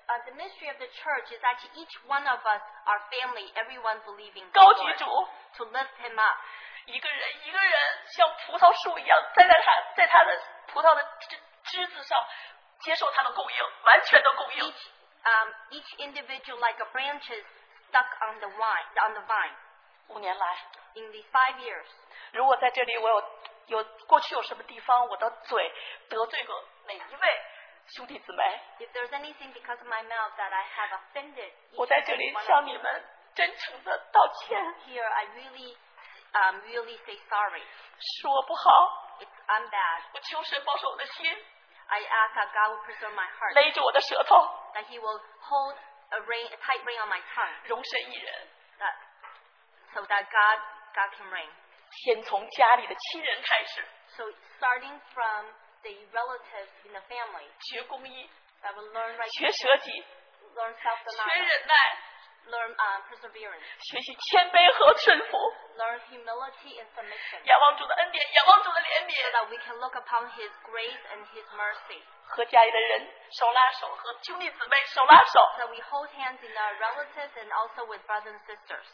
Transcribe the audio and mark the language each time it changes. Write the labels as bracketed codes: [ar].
[en] The mystery of the church is that each one of us, our family, everyone believing God. [zh] 高举主。 [en] To lift him up. [zh] 一个人一个人像葡萄树一样栽在他的葡萄的 枝子上接受他的供应完全的供应 [en] each individual like a branch is stuck on the vine [zh] 五年来 [en] in these 5 years [zh] 如果在这里我有过去有什么地方我的嘴得罪过哪一位兄弟姊妹 [en] if there's anything because of my mouth that I have offended [zh] 我在这里向你们真诚的道歉 [en] here I reallyreally say sorry. [zh] 是我不好。 [en] It's I'm bad. [zh] 我求神保守我的心。 [en] I ask that God will preserve my heart. [zh] 勒住我的舌头。 [en] That He will hold a tight rein on my tongue. [zh] 容身一人。 [en] So that God can reign. [zh] 先从家里的亲人开始。 [en] So starting from the relatives in the family. [zh] 学公义。 [en] I will learn right. [zh] 学舍己。 [en] Learn self-denial. [zh] 学忍耐。 [en] Learn perseverance. [zh] 学习谦卑和顺服. [en] Learn humility and submission. [zh] 仰望主的恩典, 仰望主的怜悯. [en] So that we can look upon His grace and His mercy. [zh] 和家里的人, 手拉手, 和兄弟姊妹, 手拉手. [en] So we hold hands in our relatives and also with brothers and sisters.